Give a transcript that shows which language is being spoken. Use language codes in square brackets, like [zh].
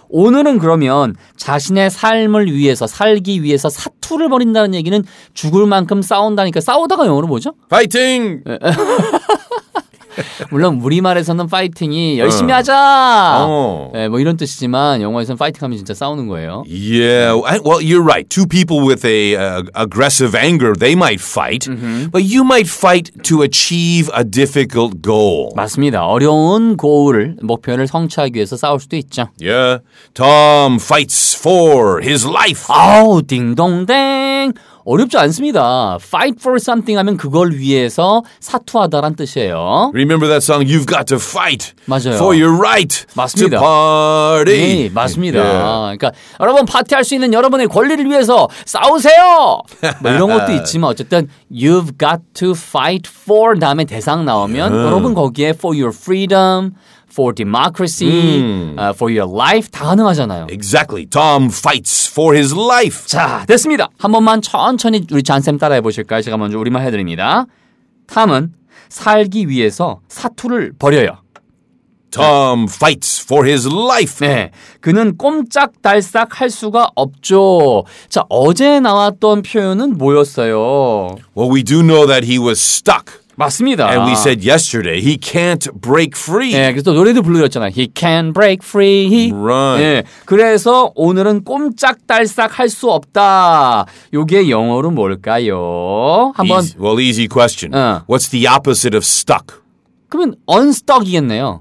[ko] 오늘은 그러면 자신의 삶을 위해서, 살기 위해서 사투를 벌인다는 얘기는 죽을 만큼 싸운다니까 싸우다가 영어로 뭐죠? [en] Fighting! [ko] 물론 우리말에서는 파이팅이 열심히 하자. 네, 뭐 이런 뜻이지만 영어에서는 파이팅 하면 진짜 싸우는 거예요. [en] Yeah, well, you're right. Two people with a aggressive anger, they might fight. Mm-hmm. But you might fight to achieve a difficult goal. [ko] 맞습니다. 어려운 goal, 목표를 성취하기 위해서 싸울 수도 있죠. [en] Yeah, Tom fights for his life. [ko] 아우, 딩동댕. 어렵지 않습니다. Fight for something 하면 그걸 위해서 사투하다란 뜻이에요. [en] Remember that song? You've got to fight [ko] 맞아요. [en] for your right [ko] 맞습니다. [en] to party. [ko] 네, 맞습니다. Yeah. 그러니까 여러분 파티할 수 있는 여러분의 권리를 위해서 싸우세요. 뭐 이런 것도 있지만 어쨌든 [en] You've got to fight for [ko] 다음에 대상 나오면 여러분 거기에 [en] for your freedom, for democracy, for your life [ko] 다 가능하잖아요. [en] Exactly. Tom fights for his life. [ko] 자, 됐습니다. 한 번만 천천히 우리 잔쌤 따라해보실까요? 제가 먼저 우리말 해드립니다. 탐은 살기 위해서 사투를 벌여요. [en] Tom fights for his life. [ko] 네, 그는 꼼짝달싹 할 수가 없죠. 자, 어제 나왔던 표현은 뭐였어요? [en] Well, we do know that he was stuck. [ko] 맞습니다. [en] And we said yesterday, he can't break free. [ko] 네, 그래서 노래도 불러줬잖아요. [en] He can't break free. Right. [ko] 네, 그래서 오늘은 꼼짝달싹 할 수 없다. 이게 영어로 뭘까요? 한번. [en] Well, easy question. 어. What's the opposite of stuck? [ko] 그러면 unstuck이겠네요.